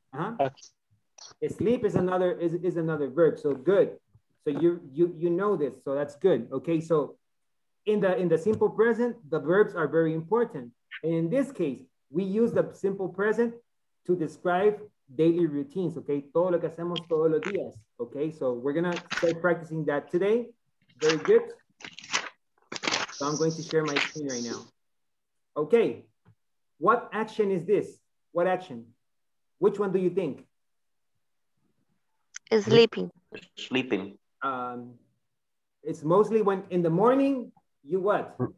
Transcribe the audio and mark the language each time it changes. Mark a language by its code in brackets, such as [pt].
[en] Uh-huh. Sleep is another verb, so good. So you know this, so that's good. Okay, so in the simple present, the verbs are very important. And in this case, we use the simple present to describe daily routines, okay? [es] Todo lo que hacemos todos los días, okay? [en] So we're gonna start practicing that today. Very good. So I'm going to share my screen right now. Okay, what action is this? What action? Which one do you think? Sleeping. Sleeping. It's mostly when in the morning, you what?